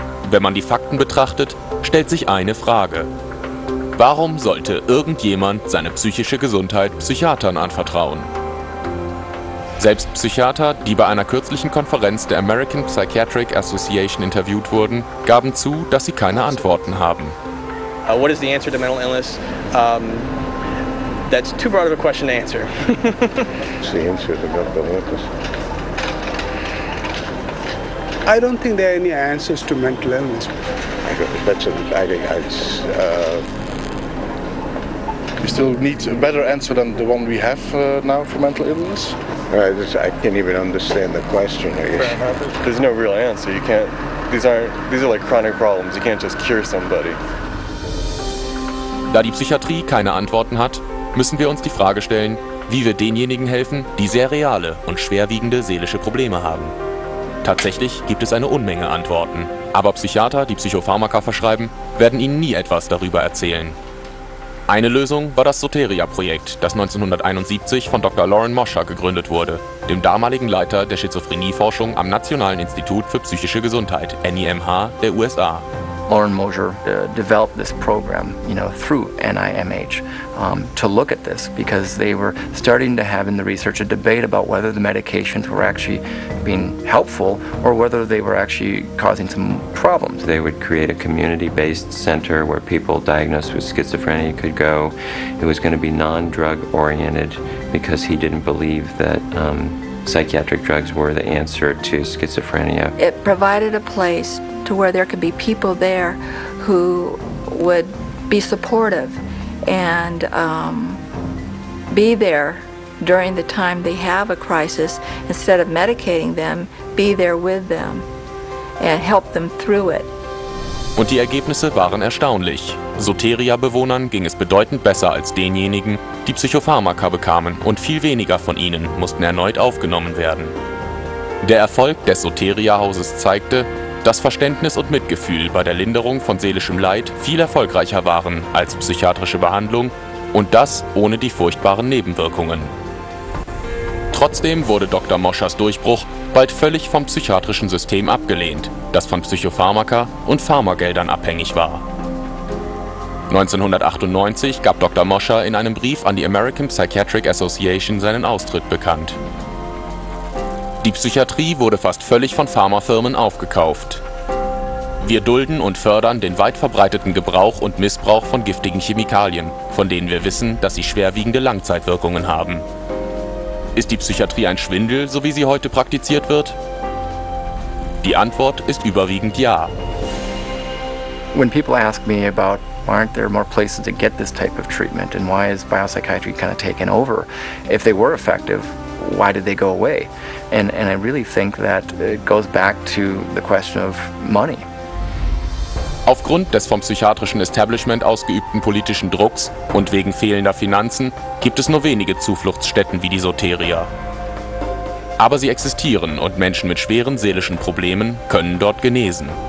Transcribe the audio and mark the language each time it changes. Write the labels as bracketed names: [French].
[German] Wenn man die Fakten betrachtet, stellt sich eine Frage. Warum sollte irgendjemand seine psychische Gesundheit Psychiatern anvertrauen? Selbst Psychiater, die bei einer kürzlichen Konferenz der American Psychiatric Association interviewt wurden, gaben zu, dass sie keine Antworten haben. [English] What is the answer to mental illness? That's too broad of a question to answer. What's the answer to mental illness? I don't think there are any answers to mental illness. We still need a better answer than the one we have now for mental illness. I can't even understand the question. There's no real answer. You can't. These are like chronic problems. You can't just cure somebody. [German] Da die Psychiatrie keine Antworten hat, müssen wir uns die Frage stellen, wie wir denjenigen helfen, die sehr reale und schwerwiegende seelische Probleme haben. Tatsächlich gibt es eine Unmenge Antworten. Aber Psychiater, die Psychopharmaka verschreiben, werden ihnen nie etwas darüber erzählen. Eine Lösung war das Soteria-Projekt, das 1971 von Dr. Lauren Mosher gegründet wurde, dem damaligen Leiter der Schizophrenieforschung am Nationalen Institut für psychische Gesundheit, NIMH, der USA. [English] Lauren Mosher developed this program, you know, through NIMH to look at this, because they were starting to have in the research a debate about whether the medications were actually being helpful or whether they were actually causing some problems. They would create a community-based center where people diagnosed with schizophrenia could go. It was going to be non-drug oriented because he didn't believe that psychiatric drugs were the answer to schizophrenia. It provided a place to where there could be people there who would be supportive and be there during the time they have a crisis, instead of medicating them, be there with them and help them through it. [German] Und die Ergebnisse waren erstaunlich. Soteria-Bewohnern ging es bedeutend besser als denjenigen, die Psychopharmaka bekamen, und viel weniger von ihnen mussten erneut aufgenommen werden. Der Erfolg des Soteria-Hauses zeigte, dass Verständnis und Mitgefühl bei der Linderung von seelischem Leid viel erfolgreicher waren als psychiatrische Behandlung, und das ohne die furchtbaren Nebenwirkungen. Trotzdem wurde Dr. Moschers Durchbruch bald völlig vom psychiatrischen System abgelehnt, das von Psychopharmaka und Pharmageldern abhängig war. 1998 gab Dr. Moscher in einem Brief an die American Psychiatric Association seinen Austritt bekannt. Die Psychiatrie wurde fast völlig von Pharmafirmen aufgekauft. Wir dulden und fördern den weit verbreiteten Gebrauch und Missbrauch von giftigen Chemikalien, von denen wir wissen, dass sie schwerwiegende Langzeitwirkungen haben. Ist die Psychiatrie ein Schwindel, so wie sie heute praktiziert wird? Die Antwort ist überwiegend ja. [English] When people ask me about why aren't there more places to get this type of treatment and why is biopsychiatry kind of taken over, if they were effective, why did they go away? And I really think that it goes back to the question of money. [German] Aufgrund des vom psychiatrischen Establishment ausgeübten politischen Drucks und wegen fehlender Finanzen gibt es nur wenige Zufluchtsstätten wie die Soteria. Aber sie existieren und Menschen mit schweren seelischen Problemen können dort genesen.